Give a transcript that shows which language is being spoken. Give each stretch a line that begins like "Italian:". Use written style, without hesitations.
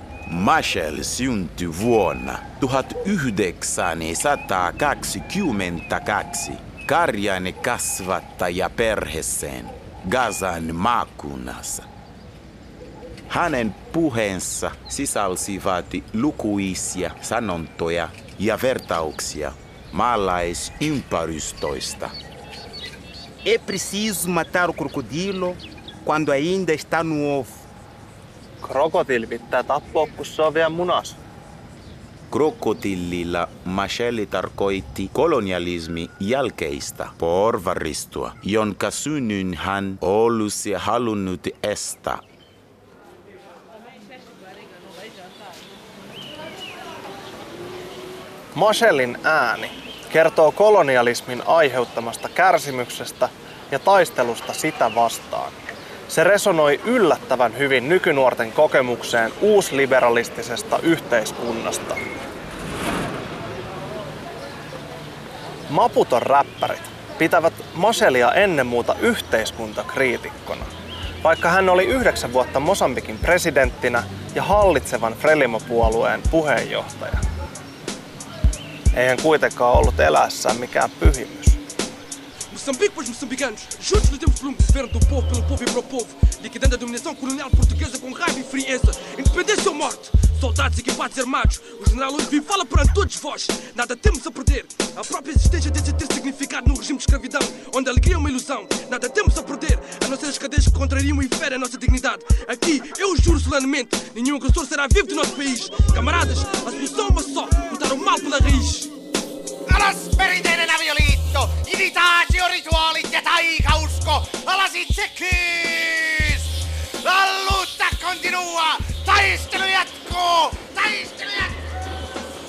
Finnish: Machel syntyi vuonna 1922 karjan kasvattaja perheeseen Gazan maakunnassa. Hänen puheensa sisälsivät lukuisia sanontoja ja vertauksia maalaisympäristöistä.
Portuguese: É preciso matar o crocodilo quando ainda está no ovo.
Finnish: Krokotiili pitää tappaa, kun se on vielä munassa. Krokotillilla Machel tarkoitti kolonialismin jälkeistä porvaristoa, jonka synnyn hän olisi halunnut estää. Machelin ääni kertoo kolonialismin aiheuttamasta kärsimyksestä ja taistelusta sitä vastaan. Se resonoi yllättävän hyvin nykynuorten kokemukseen uusliberalistisesta yhteiskunnasta. Maputon räppärit pitävät Machelia ennen muuta yhteiskuntakriitikkona. Vaikka hän oli 9 vuotta Mosambikin presidenttinä ja hallitsevan Frelimo-puolueen puheenjohtaja. Ei hän kuitenkaan ollut elässään mikään pyhimys.
Portuguese: Moçambique para os moçambicanos, juntos lutemos pelo governo do povo, pelo povo e para o povo, liquidando a dominação colonial portuguesa com raiva e frieza, independência ou morte, soldados equipados e armados, o general hoje vive fala para todos vós, nada temos a perder, a própria existência deve ter significado num regime de escravidão, onde a alegria é uma ilusão, nada temos a perder, a não ser as cadeias que contrariam e ferem a nossa dignidade, aqui eu juro solenemente, nenhum agressor será vivo do nosso país, camaradas, a solução é uma só, lutar o mal pela raiz.
Finnish: Alas perinteinen avioliitto, initaatiorituaalit ja taikausko, alas itsekkyys!
Portuguese: Lutta continua,
Finnish: taistelu jatkuu, taistelu jatkuu!